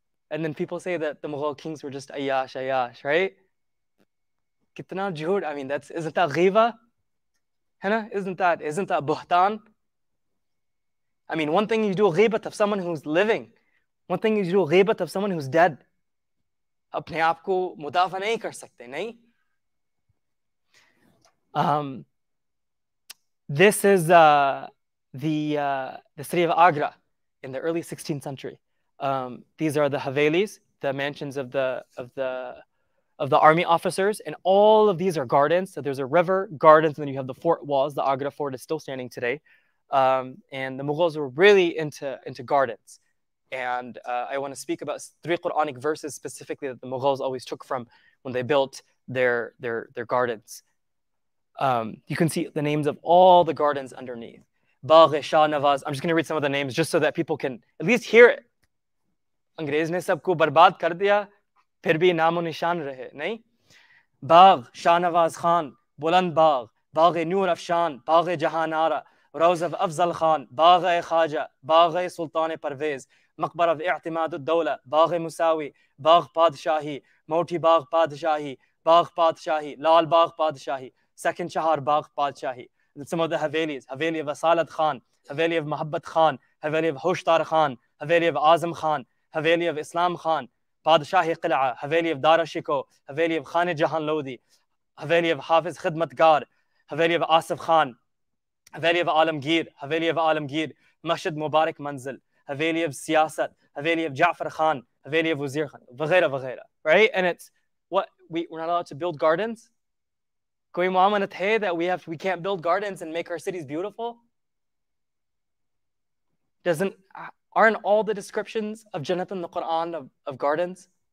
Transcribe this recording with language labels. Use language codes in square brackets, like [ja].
[en] And then people say that the Mughal kings were just ayash, right? [ur] Kitna jhoot. [en] I mean, isn't that ghiva? Hena? Isn't that buhtan? I mean, one thing you do a ghibat of someone who's living. One thing you do a ghibat of someone who's dead. [ur] اپنے آپ کو مدافعہ نہیں کر سکتے, نہیں? [en] This is the city of Agra in the early 16th century. These are the havelis, the mansions of the army officers. And all of these are gardens. So there's a river, gardens, and then you have the fort walls. The Agra fort is still standing today. And the Mughals were really into gardens. And I want to speak about three Quranic verses specifically that the Mughals always took from when they built their gardens. You can see the names of all the gardens underneath. [ur] Bagh-e, Shah, Nawaz. [en] I'm just going to read some of the names just so that people can at least hear it. [ur] انگریز نے سب کو برباد کر دیا, پھر بھی نام و نشان رہے, نہیں? باغ, شاہ نواز خان, بلند باغ, باغِ نور افشاں, باغِ جہاں آرا, Rose of افضل خان, باغِ خواجہ, باغِ سلطان پرویز, مقبرہ of اعتماد الدولہ, باغِ موسوی, باغ پادشاہی, موتی باغ پادشاہی, باغ پادشاہی, لال باغ پادشاہی, Second شہر باغ Padshahi. Some of the Havelian, Haveli of اصالت Khan, Haveli of محبت خان, حویلی of ہوشدار Khan, Haveli of Azam Khan, Haveli of Islam Khan, Padshahi Qila, Haveli of داراشکوہ, Haveli of Khan جہاں لودی, حویلی of حافظ خدمتگار, حویلی of Asif Khan, Haveli of Alamgir, Haveli of عالمگیر, مسجد مبارک منزل, حویلی of سیاست, حویلی of Jafar Khan, Haveli of وزیر خان, وغیرہ, وغیرہ. [en] Right? And it's, what, we're not allowed to build gardens? [ur] Koi mu'amanat hai [en] that we can't build gardens and make our cities beautiful? Aren't all the descriptions of Jannat in the Quran of gardens?